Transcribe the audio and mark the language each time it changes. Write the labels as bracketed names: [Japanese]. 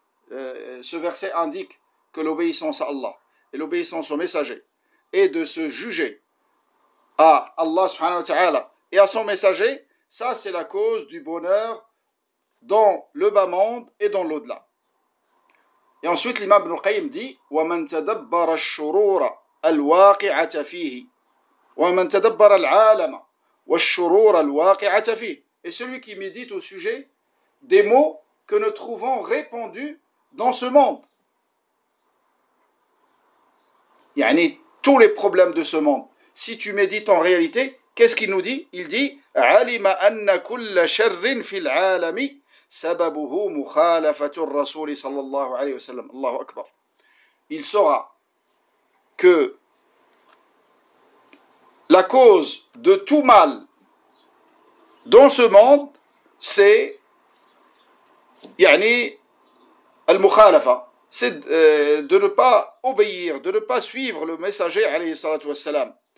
[French] Ce verset indique que l'obéissance à Allah et l'obéissance au messager et de se juger à Allah subhanahu wa ta'ala et à son messager, ça c'est la cause du bonheur dans le bas monde et dans l'au-delà. Et ensuite l'imam Ibn al-Qayyim dit [Arabic] وَمَنْ تَدَبَّرَ الشُّرُورَ الْوَاقِعَةَ فِيهِ وَمَنْ تَدَبَّرَ الْعَالَمَ وَالشُّرُورَ الْوَاقِعَةَ فِيهِ. [French] Et celui qui médite au sujet des mots que nous trouvons répandus dans ce monde, yani tous les problèmes de ce monde. Si tu médites en réalité, qu'est-ce qu'il nous dit ? Il dit [Arabic] « عَلِمَ أَنَّ كُلَّ شَرٍ فِي الْعَالَمِ سَبَبُهُ مُخَالَفَةُ الرَّسُولِ صَلَى اللَّهُ عَلَيْهِ وَسَلَّمُ. » Allahu Akbar. [French] Il saura que la cause de tout mal dans ce monde, c'est [Arabic] يعني المخالفة, [French] c'est de ne pas obéir, de ne pas suivre le messager [Arabic] عليه الصلاة والسلام.